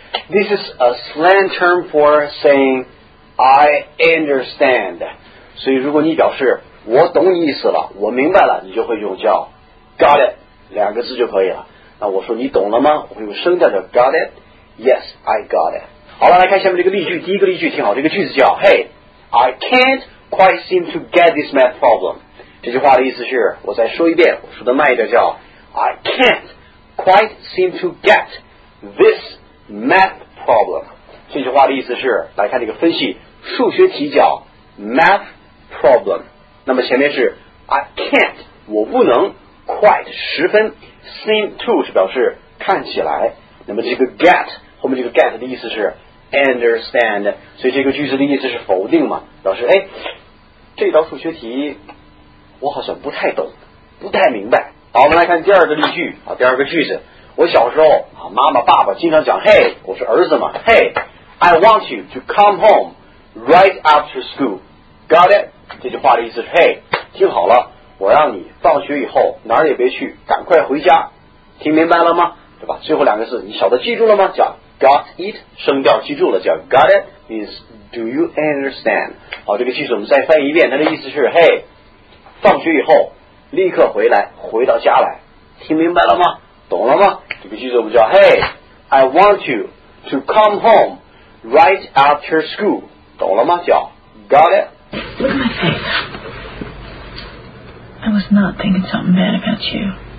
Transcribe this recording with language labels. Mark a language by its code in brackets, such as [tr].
[en] This is a slang term for saying I understand. [zh] 所以如果你表示我懂你意思了，我明白了，你就会用叫 got it 两个字就可以了。那我说你懂了吗？我用声调的 got it. [en] Yes, I got it. [zh] 好了，来看下面这个例句。第一个例句挺好，这个句子叫 [en] Hey, I can't quite seem to get this math problem. [zh] 这句话的意思是，我再说一遍，我说的慢一点叫 [en] I can't quite seem to get this math problem. [zh] 这句话的意思是，来看这个分析。数学题叫 math problem， 那么前面是 I can't， 我不能 quite 十分 seem to 是表示看起来，那么这个 get 后面这个 get 的意思是 understand， 所以这个句子的意思是否定嘛，表示哎这道数学题我好像不太懂，不太明白。好，我们来看第二个例句啊，第二个句子，我小时候啊，妈妈爸爸经常讲，嘿，我是儿子嘛，嘿， [en] I want you to come home。 Right after school, got it? [zh] 这句话的意思是 Hey, 听好了，我让你放学以后哪儿也别去，赶快回家，听明白了吗？对吧？最后两个字，你晓得记住了吗？叫 Got it， 声调记住了，叫 [en] Got it means Do you understand? [zh] 好，这个句子我们再翻译一遍，它的意思是 Hey, 放学以后立刻回来，回到家来，听明白了吗？懂了吗？这个句子我们叫 [en] Hey, I want you to come home right after school。 [zh] 懂了吗？叫 Got it. [en] Look at my face. I was not thinking something bad about you.